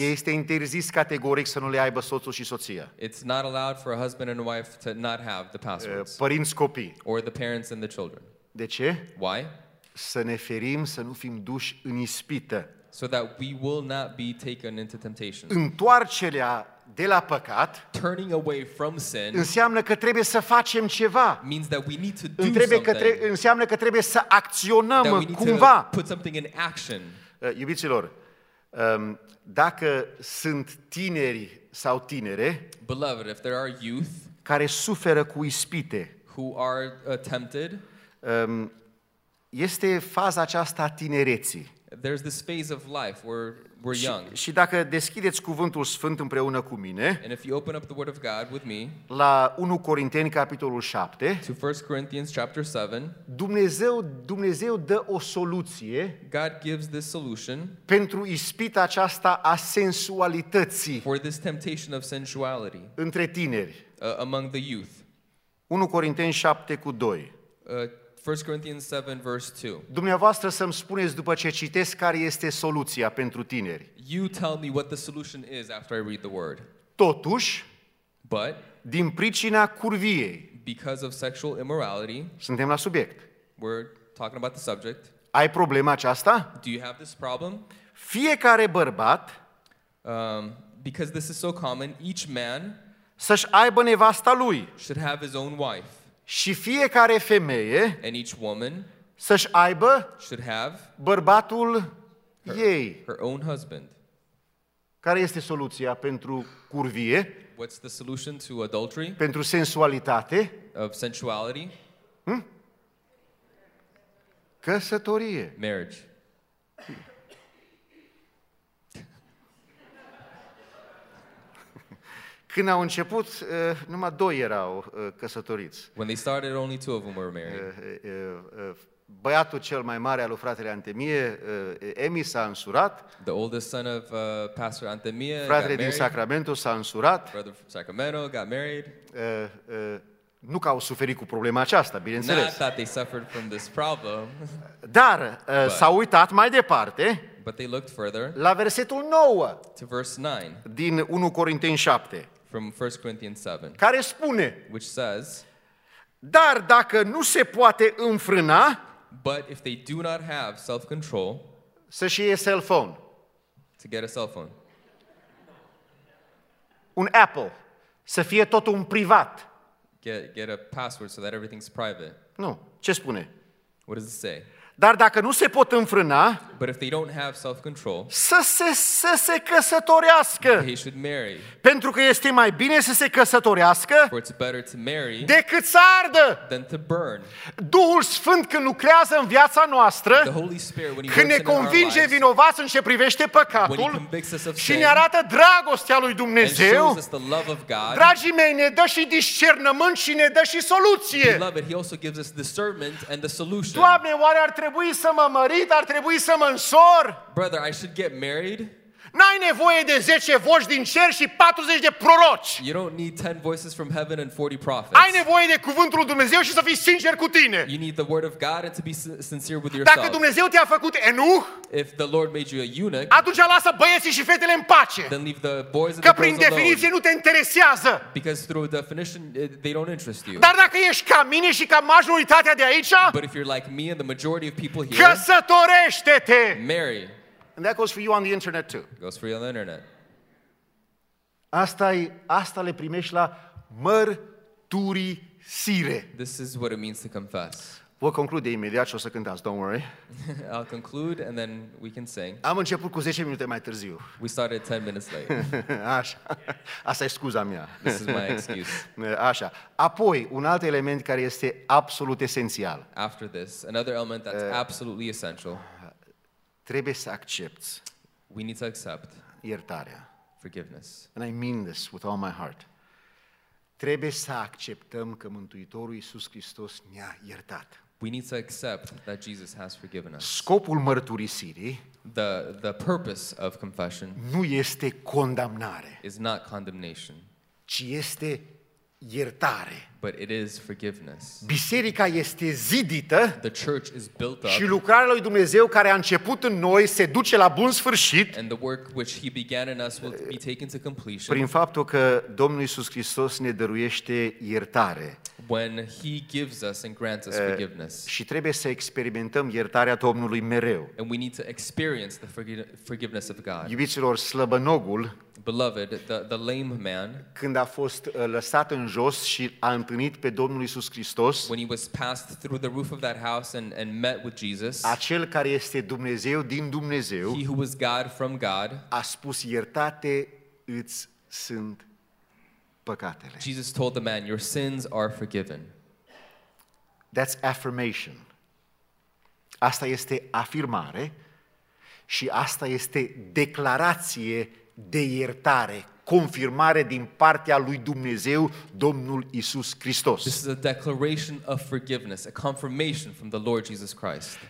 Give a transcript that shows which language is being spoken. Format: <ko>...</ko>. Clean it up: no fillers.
<ro>Este interzis categoric să nu le aibă soțul și soția.</ro> <en>It's not allowed for a husband and a wife to not have the passwords.</en> <ro>Părinți copii.</ro> <en>Or the parents and the children.</en> <ro>De ce?</ro> <en>Why?</en> <ro>Să ne ferim să nu fim duși în ispită.</ro> <en>So that we will not be taken into temptation.</en> <ro>Întoarcerea de la păcat,</ro> <en>turning away from sin,</en> <ro>înseamnă că trebuie să facem ceva.</ro> <en>Means that we need to do something.</en> <ro>Înseamnă că trebuie să acționăm cumva.</ro> <en>Put something in action.</en> <ro>Iubiților, dacă sunt tineri sau tinere,</ro> <en>beloved, if there are youth,</en> <ro>care suferă cu ispite,</ro> <en>who are tempted,</en> <ro>este faza aceasta a tinereții.</ro> <en>There's this phase of life where we're young.</en> <ro>Și dacă deschideți cuvântul sfânt împreună cu mine,</ro> <en>and if you open up the word of God with me,</en> <ro>la 1 Corinteni capitolul 7,</ro> <en>to 1 Corinthians chapter 7,</en> <ro>Dumnezeu dă o soluție,</ro> <en>God gives this solution,</en> <ro>pentru ispita aceasta a sensualității,</ro> <en>for this temptation of sensuality,</en> <ro>între tineri,</ro> <en>among the youth.</en> <ro>1 Corinteni 7 cu 2.</ro> <en>1 Corinthians 7 verse 2.</en> <ro>Dumneavoastră să-mi spuneți după ce citesc care este soluția pentru tineri.</ro> <en>You tell me what the solution is after I read the word.</en> <ro>Totuși,</ro> <en>but</en> <ro>din pricina curviei.</ro> <en>Because of sexual immorality.</en> <ro>Suntem la subiect.</ro> <en>We're talking about the subject.</en> <ro>Ai problema aceasta?</ro> <en>Do you have this problem?</en> <ro>Fiecare bărbat,</ro> <en>because this is so common, each man,</en> <ro>să-și aibă nevasta lui.</ro> <en>Should have his own wife.</en> <ro>Și fiecare femeie,</ro> <en>and each woman,</en> <ro>să-și aibă,</ro> <en>should have,</en> <ro>bărbatul ei.</ro> <en>Her own husband.</en> <ro>Care este soluția pentru curvie?</ro> <en>What's the solution to adultery?</en> <ro>Pentru sensualitate?</ro> <en>Of sensuality?</en> <ro>Căsătorie.</ro> <en>Marriage.</en> <ro>Când au început, numai doi erau căsătoriți.</ro> <en>When they started, only two of them were married.</en> <ro>Băiatul cel mai mare al lui fratele Antemie, Emi, s-a însurat.</ro> <en>The oldest son of Pastor Antemie.</en> <ro>Fratele din Sacramento s-a însurat.</ro> <en>Brother from Sacramento got married.</en> <ro>Nu că au suferit cu problema aceasta, bineînțeles.</ro> <en>Not that they suffered from this problem.</en> <ro>Dar s-au uitat mai departe.</ro> <en>But they looked further.</en> <ro>La versetul 9.</ro> <en>To verse 9.</en> <ro>Din 1 Corinteni 7.</ro> <en>From 1 Corinthians 7.</en> <ro>Care spune?</ro> <en>Which says.</en> <ro>Dar dacă nu se poate înfrâna.</ro> <en>But if they do not have self-control.</en> <ro>Să-și ia</ro> <en>cell phone. To get a cell phone.</en> <ro>Un Apple. Să fie tot un privat.</ro> <en>Get a password so that everything's private.</en> <ro>Nu. Ce spune?</ro> <en>What does it say?</en> <ro>Dar dacă nu se pot înfrâna,</ro> <en>but if they don't have self-control,</en> <ro>să se căsătorească.</ro> <en>They should marry.</en> <ro>Pentru că este mai bine să se căsătorească decât să ardă.</ro> <en>Than to burn.</en> <ro>Duhul Sfânt când lucrează în viața noastră,</ro> <en>the Holy Spirit, when he</en> <ro>când ne convinge vinovați în ce privește păcatul și ne arată dragostea lui Dumnezeu,</ro> <en>and shows us the love of God,</en> <ro>dragii mei, ne dă și discernământ și ne dă și soluție.</ro> <en>Beloved, he also gives us discernment and the solution.</en> <ro>Doamne, oare ar trebui să mă mărit, ar trebui să mă însor?</ro> <en>Brother, I should get married?</en> <ro>N-ai nevoie de 10 voci din cer și 40 de proroci.</ro> <en>You don't need 10 voices from heaven and 40 prophets.</en> <ro>Ai nevoie de cuvântul lui Dumnezeu și să fii sincer cu tine.</ro> <en>You need the word of God and to be sincere with yourself.</en> <ro>Dacă Dumnezeu te-a făcut eunuch,</ro> <en>if the Lord made you a eunuch,</en> <ro>atunci lasă băieții și fetele în pace.</ro> <en>Then leave the boys and</en> <ro>că prin definiție</ro> <en>alone,</en> <ro>nu te interesează.</ro> <en>Because through definition they don't interest you.</en> <ro>Dar dacă ești ca mine și ca majoritatea de aici,</ro> <en>but if you're like me and the majority of people here,</en> <ro>căsătorește-te.</ro> <en>Marry. And that goes for you on the internet too. Goes for you on the internet.</en> <ro>Asta le primești la mărturisire.</ro> <en>This is what it means to confess.</en> <ro>Voi conclude imediat și o să cântați,</ro> <en>don't worry. I'll conclude and then we can sing.</en> <ro>Am început cu 10 minute mai târziu.</ro> <en>We started 10 minutes late.</en> <ro>Așa. Asta e scuza mea.</ro> <en>This is my excuse.</en> <ro>Așa. Apoi, un alt element care este absolut esențial.</ro> <en>After this, another element that's absolutely essential.</en> <ro>Trebuie să accepți.</ro> <en>We need to accept.</en> <ro>Iertarea.</ro> <en>Forgiveness. And I mean this with all my heart.</en> <ro>Trebuie să acceptăm că Mântuitorul Iisus Hristos ne-a iertat.</ro> <en>We need to accept that Jesus has forgiven us.</en> <ro>Scopul mărturisirii,</ro> <en>the purpose of confession,</en> <ro>nu este condamnare.</ro> <en>Is not condemnation.</en> <ro>Ci este iertare.</ro> <en>But it is forgiveness.</en> <ro>Biserica este zidită.</ro> <en>The church is built up.</en> <ro>Și lucrarea lui Dumnezeu care a început în noi se duce la bun sfârșit.</ro> <en>And the work which he began in us will be taken to completion.</en> <ro>Prin faptul că Domnul Iisus Hristos ne dăruiește iertare.</ro> <en>When he gives us and grants us forgiveness.</en> <ro>Și trebuie să experimentăm iertarea Domnului mereu.</ro> <en>And we need to experience the forgiveness of God.</en> <ro>Iubiților, slăbănogul,</ro> <en>beloved, the lame man,</en> <ro>când a fost lăsat în jos și a întâlnit pe Domnul Iisus Hristos,</ro> <en>when he was passed through the roof of that house and met with Jesus,</en> <ro>acel care este Dumnezeu din Dumnezeu,</ro> <en>he who was God from God,</en> <ro>a spus, iertate îți sunt păcatele.</ro> <en>Jesus told the man, your sins are forgiven. That's affirmation.</en> <ro>Asta este afirmare și asta este declarație de iertare, confirmare din partea lui Dumnezeu, Domnul Iisus Hristos.</ro> <en>This is a declaration of forgiveness, a confirmation from the Lord Jesus Christ.</en>